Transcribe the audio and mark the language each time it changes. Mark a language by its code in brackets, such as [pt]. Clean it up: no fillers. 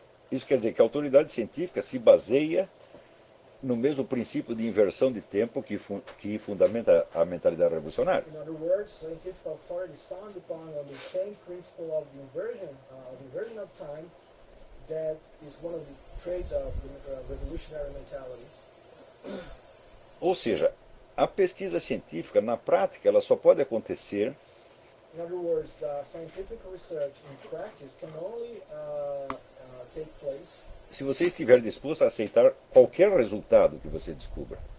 [pt] Isso quer dizer que a autoridade científica se baseia no mesmo princípio de inversão de tempo que fundamenta a mentalidade revolucionária. [en] In other words, scientific authority is founded upon the same principle of inversion of time that is one of the traits of the revolutionary mentality. [pt] Ou seja, a pesquisa científica, na prática, ela só pode acontecer. [en] In other words, scientific research in practice can only take place. [pt] Se você estiver disposto a aceitar qualquer resultado que você descubra.